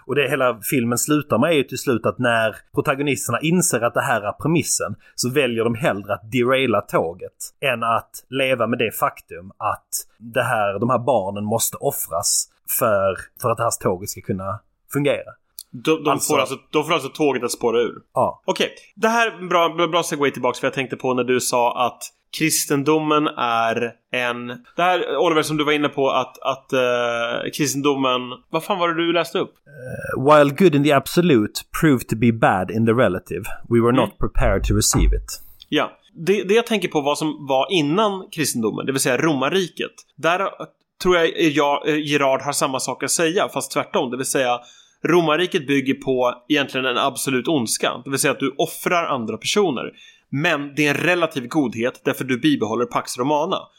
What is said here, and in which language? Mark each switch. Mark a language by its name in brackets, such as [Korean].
[Swedish] Och det hela filmen slutar med är ju till slut att när protagonisterna inser att det här är premissen, så väljer de hellre att deraila tåget än att leva med det faktum att de här barnen måste offras för att det här tåget ska kunna fungera. De får alltså tåget att spåra ur. Ja. Okej, okay. Det här är en bra segway tillbaka, för jag tänkte på när du sa att kristendomen är en... Det här, Oliver, som du var inne på, att kristendomen... Vad fan var det du läste upp? [English] While good in the absolute proved to be bad in the relative, we were not prepared to receive it. [Swedish] Ja, det jag tänker på vad som var innan kristendomen, det vill säga romarriket. Där tror jag Gerard har samma sak att säga, fast tvärtom. Det vill säga, romarriket bygger på egentligen en absolut ondska. Det vill säga att du offrar andra personer. Men det är en relativ godhet därför du bibehåller Pax Romana.